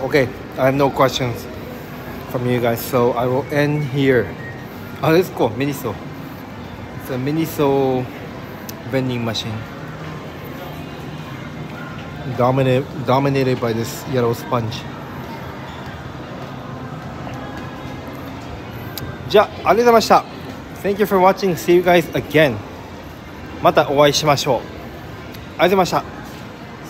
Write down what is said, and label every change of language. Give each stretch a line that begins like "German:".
English: OK, I have no questions from you guys, so I will end here. あ、let's go, Miniso. It's a Miniso vending machine. Dominated by this yellow sponge.
Japanese: じゃあ、ありがとうございました。
English: Thank you for watching, see you guys again.
Japanese: またお会いしましょう。ありがとうございました。